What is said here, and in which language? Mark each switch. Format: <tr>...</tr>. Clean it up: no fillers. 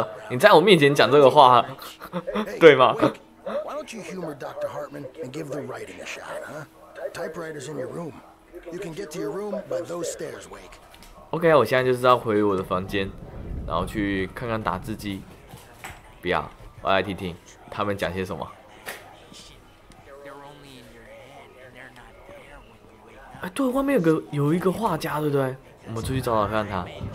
<zh>你在我面前讲这个话，对吗？</zh> <en>Why don't you humor Dr. Hartman and give the writing a shot, huh? Typewriter's in your room. You can get to your room by those stairs, Wake.</en> <zh>OK， 我现在就是要回我的房间，然后去看看打字机。不要，我来听听他们讲些什么。哎，对，外面有一个画家，对不对？我们出去找找看他。</zh>